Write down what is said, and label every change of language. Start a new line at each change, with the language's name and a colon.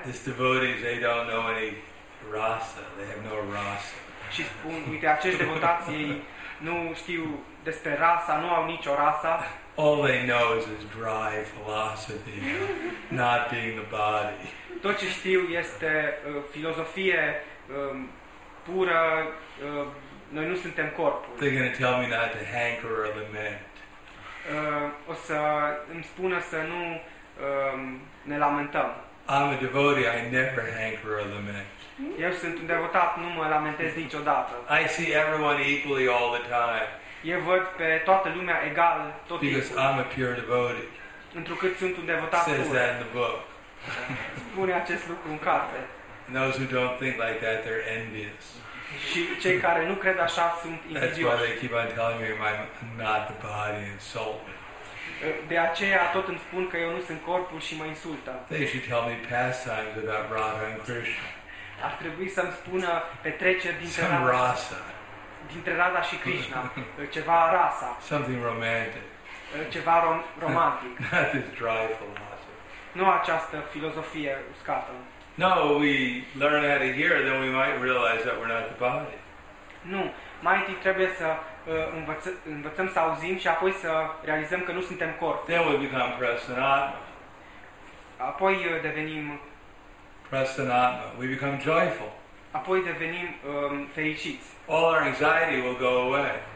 English: These devotees, they don't know any rasa. They have no rasa.
Romanian: Și spun, uite, acești devotați, ei nu știu despre rasa, nu au nicio rasa.
English: All they know is dry philosophy, not being the body.
Romanian: Tot ce știu este filozofie pură, noi nu suntem corpul.
English: They're going to tell me not to hanker or lament.
Romanian: O să îmi spună să nu ne lamentăm.
English: I'm a devotee, I never hanker or lament.
Romanian: Eu sunt un devotat, nu mă lamentez niciodată.
English: I see everyone equally all the time.
Romanian: Eu văd pe toată lumea egal tot timpul.
English: Because I'm a pure devotee.
Romanian: Pentru că sunt un devotat pur.
English: Says that in the book.
Romanian: Spune acest lucru în carte.
English: And those who don't think like that, they're envious.
Romanian: Și cei care nu cred așa sunt invidioși.
English: That's why they keep on telling me I'm not the body and soul.
Romanian: De aceea tot îmi spun că eu nu sunt corpul și mă insultă.
English: They should tell me pastimes about Radha and Krishna.
Romanian: Ar trebui să-mi spună petreceri dintre
English: Some rasa.
Romanian: Dintre Radha și Krishna, ceva rasa.
English: Something romantic.
Romanian: Ceva romantic.
English: Not this dry philosophy.
Romanian: Nu această filozofie uscată.
English: No, we learn how to hear, then we might realize that we're not the body.
Romanian: Nu, mai întâi trebuie să învățăm să auzim și apoi să realizăm că nu suntem corp.
English: Then we become prasanatma.
Romanian: Apoi devenim
English: prasanatma. We become joyful.
Romanian: Apoi devenim fericiți.
English: All our anxiety will go away.